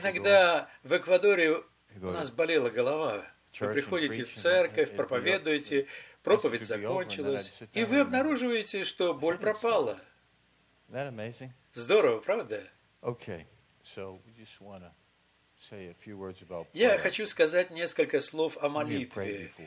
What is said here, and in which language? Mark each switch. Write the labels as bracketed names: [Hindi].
[Russian] Иногда в Эквадоре у нас болела голова. Вы приходите в церковь, проповедуете, проповедь закончилась, и вы обнаруживаете, что боль пропала. [English] Isn't that amazing? [Russian] Здорово, правда? [English] Okay, so we just wanna say a few words about prayer. [Russian] Я хочу сказать несколько слов о молитве.